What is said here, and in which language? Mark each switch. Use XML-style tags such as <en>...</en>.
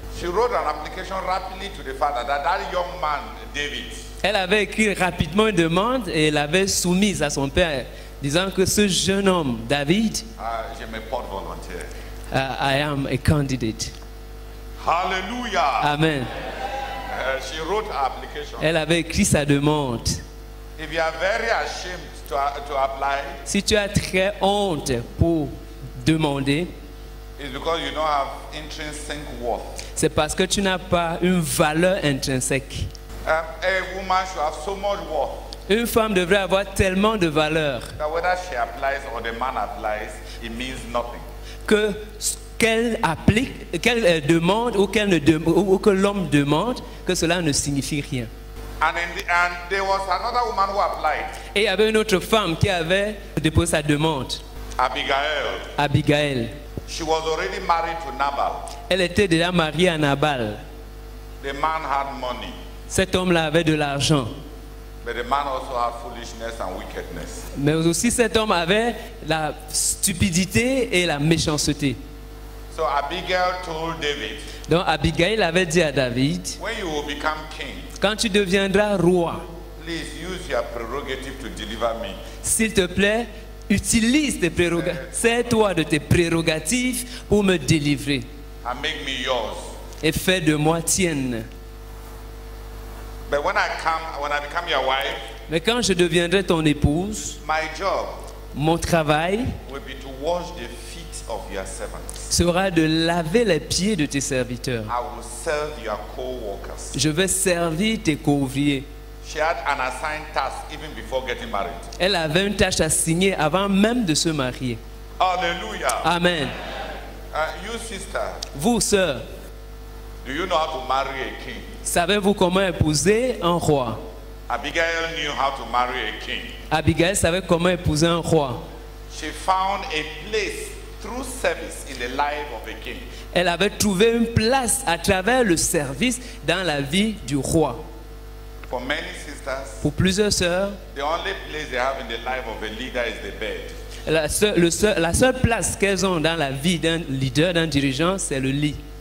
<en>She wrote an application rapidly to the father that that young man, David.</en> <fr>Elle avait écrit rapidement une demande et l'avait soumise à son père, disant que ce jeune homme, David, je me porte volontaire.</fr> <en>I am a candidate. Hallelujah. Amen. She wrote her application.</en> <fr>Elle avait écrit sa demande.</fr> <en>If you are very ashamed to apply,</en> <fr>si tu as très honte pour demander,</fr> <en>it's because you don't have intrinsic worth.</en> <fr>C'est parce que tu n'as pas une valeur intrinsèque.</fr> <en>A woman should have so much worth.</en> <fr>Une femme devrait avoir tellement de valeur.</fr> <en>That whether she applies or the man applies, it means nothing.</en> <fr>Que qu'elle applique, qu'elle demande ou qu'elle ne ou que l'homme demande, que cela ne signifie rien.</fr> <en>And there was another woman who applied.</en> <fr>Et il y avait une autre femme qui avait déposé sa demande.</fr> <en>Abigail.</en> <fr>Abigail.</fr> <en>She was already married to Nabal.</en> <fr>Elle était déjà mariée à Nabal.</fr> <en>The man had money.</en> <fr>Cet homme-là avait de l'argent.</fr> <en>But the man also had foolishness and wickedness.</en> <fr>Mais aussi cet homme avait la stupidité et la méchanceté.</fr> <en>So Abigail told David.</en> <fr>Donc Abigail avait dit à David.</fr> <en>When you will become king.</en> <fr>Quand tu deviendras roi. Please use your prerogative to deliver me. S'il te plaît, utilise tes prérogatives. Sers-toi de tes prérogatives pour me délivrer.</fr> <en>And make me yours.</en> <fr>Et fais de moi tienne.</fr> <en>But when I become your wife.</en> <fr>Mais quand je deviendrai ton épouse.</fr> <en>My job.</en> <fr>Mon travail.</fr> <en>Will be to wash the feet of your servants.</en> <fr>Sera de laver les pieds de tes serviteurs.</fr> <en>I will serve your co-workers.</en> <fr>Je vais servir tes co-ouvriers.</fr> <en>She had an assigned task even before getting married.</en> <fr>Elle avait une tâche assignée avant même de se marier.</fr> <en>Hallelujah. Amen. You sister.</en> <fr>Vous sœur.</fr> <en>Do you know how to marry a king?</en> <fr>Savez-vous comment épouser un roi?</fr> <en>Abigail knew how to marry a king.</en> <fr>Abigail savait comment épouser un roi.</fr> <en>She found a place through service in the life of a king.</en> <fr>Elle avait trouvé une place à travers le service dans la vie du roi.</fr> <en>For many sisters,</en> <fr>pour plusieurs sœurs,</fr> <en>the only place they have in the life of a leader is the bed.</en> <fr>La seule place qu'elles ont dans la vie d'un leader, d'un dirigeant, c'est le lit.</fr>